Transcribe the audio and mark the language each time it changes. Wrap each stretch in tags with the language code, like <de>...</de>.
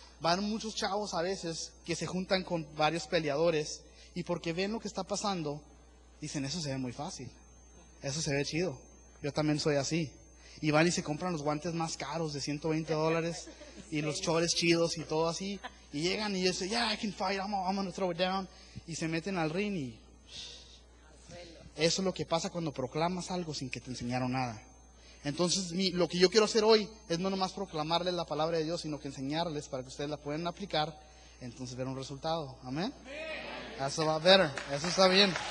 <es>Van muchos chavos a veces que se juntan con varios peleadores y porque ven lo que está pasando, dicen, eso se ve muy fácil. Eso se ve chido. Yo también soy así. Y van y se compran los guantes más caros de $120 y los chores chidos y todo así. Y llegan y dicen,</es> <en>yeah, I can fight, I'm going to throw it down.</en> <es>Y se meten al ring y... Eso es lo que pasa cuando proclamas algo sin que te enseñaron nada. Entonces, lo que yo quiero hacer hoy es no nomás proclamarles la palabra de Dios, sino que enseñarles para que ustedes la puedan aplicar. Entonces, ver un resultado. ¿Amén?</es> <en>That's a lot better.</en> <es>Eso está bien.</es>